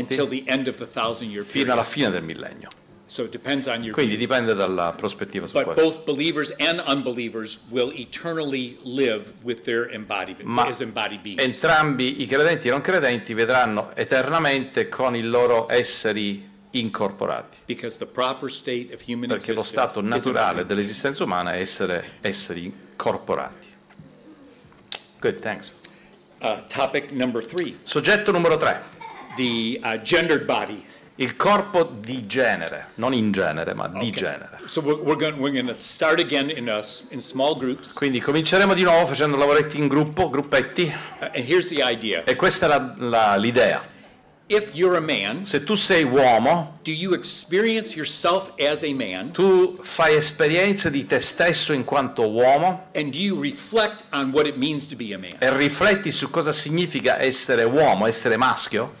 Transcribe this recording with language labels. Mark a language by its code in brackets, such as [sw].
[en] until the end of the thousand year period, [it] fino alla fine del millennio. [en] So it depends on your [it] quindi dipende dalla prospettiva su [en] but [it] questo. [en] Both believers and unbelievers will eternally live with their embodiment [it] ma [en] as embodied beings. [it] Entrambi i credenti e non credenti vedranno eternamente con i loro esseri incorporati. [en] Because the proper state of human [it] perché lo stato naturale dell'esistenza umana è essere esseri incorporati. [en] Good, thanks. Topic number three. [it] Soggetto numero tre. [en] The gendered body. [it] Il corpo di genere, non in genere, ma di genere. [en] So we're gonna start again in small groups. [it] Quindi cominceremo di nuovo facendo lavoretti in gruppo, gruppetti. [en] And here's the idea. [it] E questa è l'idea. [en] If you're a man, [it] se tu sei uomo, [en] do you experience yourself as a man? [it] Tu fai esperienza di te stesso in quanto uomo? [en] And do you reflect on what it means to be a man? [it] E rifletti su cosa significa essere uomo, essere maschio?